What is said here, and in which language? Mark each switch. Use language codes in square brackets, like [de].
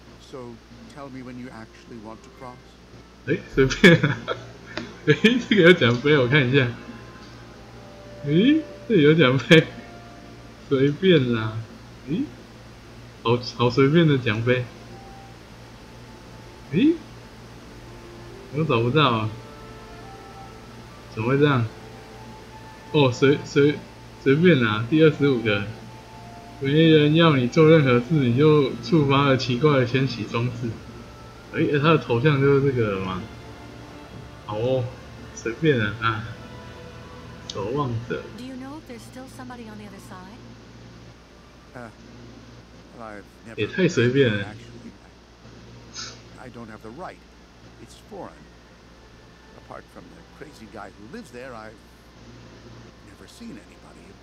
[en] So tell me when you actually want to cross. [zh] 哎，随便。诶，这个有奖杯，我看一下。诶，这有奖杯，随便啦。诶，好随便的奖杯。诶，我找不到啊，怎么会这样？哦，随便啦，第25个，没人要你做任何事，你就触发了奇怪的迁徙装置。诶，他的头像就是这个了吗？好哦，随便啊，守望者。 [en] Do you know if there's still somebody on the other side? Well, [zh] 也太随便了。 [en] I don't have the right. It's foreign. Apart from the crazy guy who lives there, I've never seen anybody.